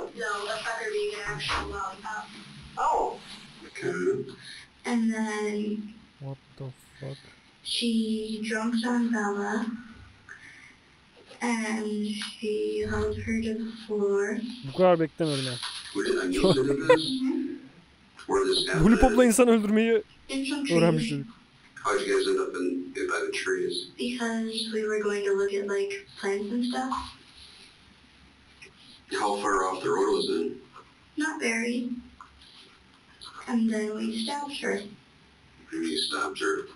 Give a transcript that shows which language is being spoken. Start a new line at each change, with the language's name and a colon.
English: No, a sucker being an actual lollipop. Oh! Okay. And then... What the fuck? She jumps on Bella. And she holds her to the floor.
Turkish: Bu kadar beklemedim ya.
English: Where did I
Turkish: insan öldürmeyi öğrenmiş.
English: How'd you guys end up in by the trees? Because we were going to look at like plants and stuff. How far off the road was it? Not very. And then we stabbed her. And you stabbed her?